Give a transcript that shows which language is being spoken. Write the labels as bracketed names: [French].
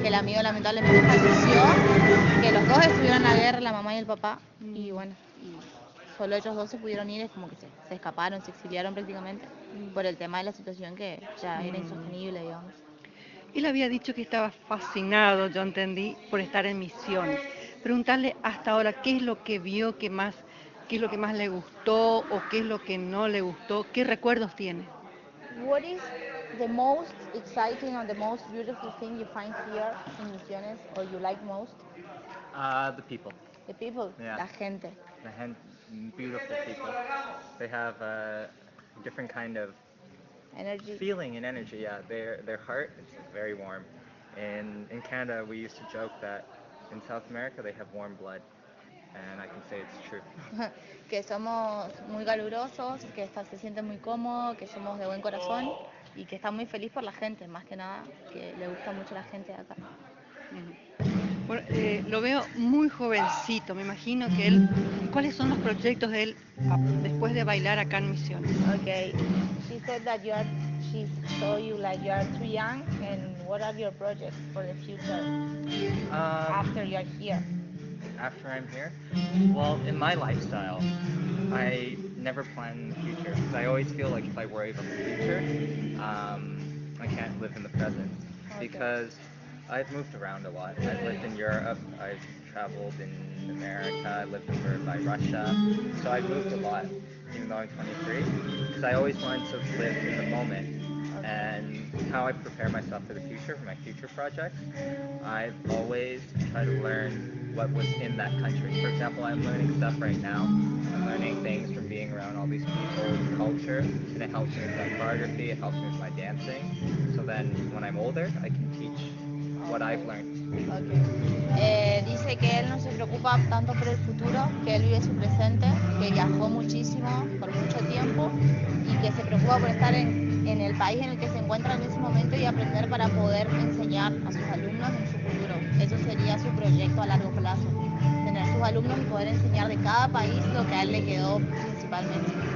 [Spanish] Que el amigo lamentablemente falleció, que los dos estuvieron en la guerra, la mamá y el papá, y bueno, y solo ellos dos se pudieron ir, es como que se escaparon, se exiliaron prácticamente por el tema de la situación que ya era insostenible, digamos. Él había dicho que estaba fascinado, yo entendí, por estar en Misiones. Preguntarle hasta ahora qué es lo que vio, qué es lo que más le gustó o qué es lo que no le gustó, qué recuerdos tiene. [English] What is the most exciting or the most beautiful thing you find here in Misiones or you like most? The people. The people. Yeah. [Spanish] La gente. [English] The [Spanish] gente. [English] beautiful people. They have a different kind of energy. Feeling and energy, yeah. Their heart is very warm. And in Canada, we used to joke that in South America, they have warm blood. And I can say it's true. [Spanish] Que somos muy calurosos, que se sienten muy cómodos, que somos de buen corazón y que están muy feliz por la gente, más que nada, que le gusta mucho la gente acá. Bueno, lo veo muy jovencito, me imagino que él, ¿cuáles son los proyectos de él después de bailar acá en Misiones? [English] Okay, she said that you are, she saw you like you are too young, and what are your projects for the future after you are here? After I'm here? Well, in my lifestyle, I never plan the future, because I always feel like if I worry about the future, I can't live in the present, because I've moved around a lot. I've lived in Europe, I've traveled in America, I lived over by Russia, so I've moved a lot, even though I'm 23, because I always wanted to live in the moment. And how I prepare myself for the future, for my future projects, I've always tried to learn what was in that country. For example, I'm learning stuff right now. I'm learning things from being around all these people, culture, and it helps me with my choreography, it helps me with my dancing. So then when I'm older, I can teach what I've learned. Okay. [Spanish] Dice que él no se preocupa tanto por el futuro, que él vive su presente, que viajó muchísimo por mucho tiempo y que se preocupa por estar en el país en el que se encuentra en ese momento y aprender para poder enseñar a sus alumnos en su futuro. Eso sería su proyecto a largo plazo, tener sus alumnos y poder enseñar de cada país lo que a él le quedó principalmente.